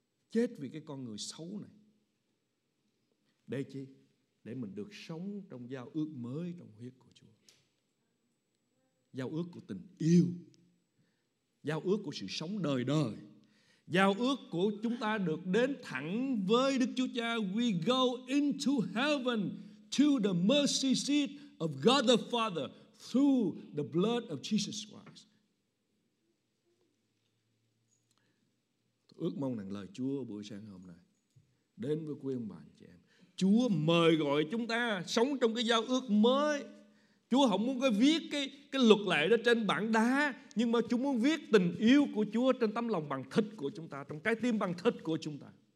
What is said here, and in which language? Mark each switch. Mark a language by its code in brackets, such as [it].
[vi] Chết vì cái con người xấu này. Để chi? Để mình được sống trong giao ước mới trong huyết của Chúa. Giao ước của tình yêu. Giao ước của sự sống đời đời. Giao ước của chúng ta được đến thẳng với Đức Chúa Cha. [en] We go into heaven to the mercy seat of God the Father through the blood of Jesus Christ. [vi] Tôi ước mong rằng lời Chúa buổi sáng hôm nay đến với quý ông bà anh chị em. Chúa mời gọi chúng ta sống trong cái giao ước mới. Chúa không muốn có viết cái luật lệ đó trên bảng đá, nhưng mà Chúa muốn viết tình yêu của Chúa trên tấm lòng bằng thịt của chúng ta, trong trái tim bằng thịt của chúng ta.